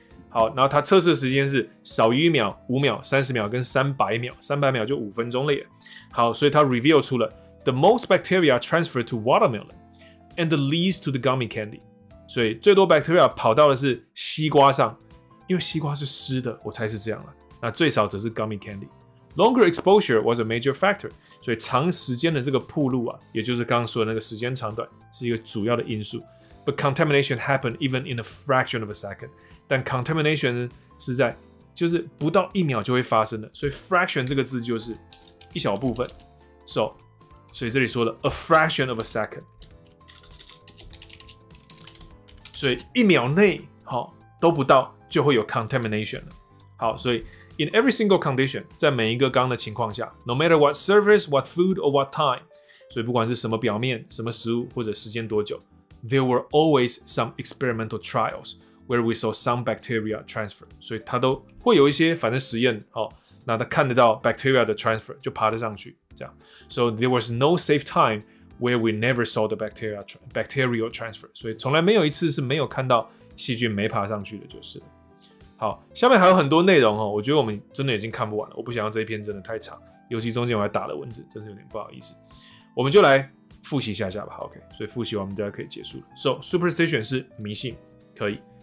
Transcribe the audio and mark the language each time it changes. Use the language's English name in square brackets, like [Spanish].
[Chinese] 好，然后它测试的时间是少于一秒、五秒、三十秒跟三百秒，三百秒就五分钟了耶。好，所以它 reveal 出了。 [English] The most bacteria transferred to watermelon, and the least to the gummy candy. [Chinese] 所以最多 bacteria 跑到的是西瓜上，因为西瓜是湿的，我猜是这样了。那最少则是 [English] gummy candy. Longer exposure was a major factor. [Chinese] 所以长时间的这个暴露啊，也就是刚刚说的那个时间长短，是一个主要的因素。 [English] But contamination happened even in a fraction of a second. [Chinese] 但 contamination 是在就是不到一秒就会发生的，所以 fraction 这个字就是一小部分。 So所以这里说的 [English] a fraction of a second， [Chinese] 所以一秒内好都不到就会有 contamination 了。 [English] 好，所以 in every single condition， [Chinese] 在每一个缸的情况下 [English] ，no matter what surface， what food， or what time， [Chinese] 所以不管是什么表面、什么食物或者时间多久 [English] ，there were always some experimental trials where we saw some bacteria transfer。 [Chinese] 所以它都会有一些反正实验，好，那它看得到 bacteria 的 transfer 就爬得上去。 [English] So there was no safe time where we never saw the bacterial transfer. [Chinese] 所以从来没有一次是没有看到细菌没爬上去的，就是。好，下面还有很多内容哦，我觉得我们真的已经看不完了。我不想要这一篇真的太长，尤其中间我还打了文字，真是有点不好意思。我们就来复习一下下吧。好 ，OK。所以复习完我们大家可以结束了。 So superstition 是迷信，可以。